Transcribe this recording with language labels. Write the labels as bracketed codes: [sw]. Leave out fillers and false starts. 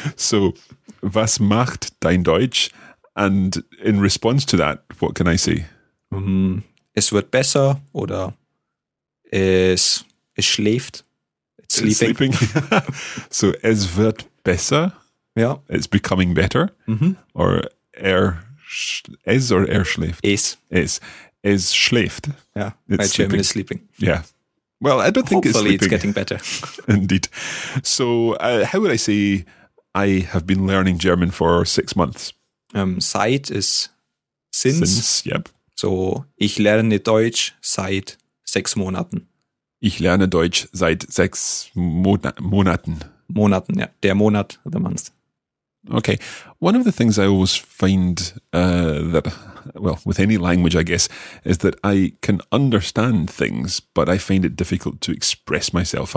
[en] So, [de] was macht dein Deutsch? [en] And in response to that, what can I say? [de] Es wird besser oder es schläft. [en] It's sleeping. [de] So es wird besser. [en] Yeah. It's becoming better. Or [de] er schläft? Es. Es schläft. [en] Yeah. My German is sleeping. Yeah. Well, I don't think hopefully it's getting better. Indeed. So how would I say I have been learning German for 6 months? [de] Seit ist since. [en] Yep. [de] So, ich lerne Deutsch seit 6 Monaten. Ich lerne Deutsch seit 6 Monaten. Monaten, ja. Der Monat, [en] the month. Okay. One of the things I always find with any language, I guess, is that I can understand things, but I find it difficult to express myself.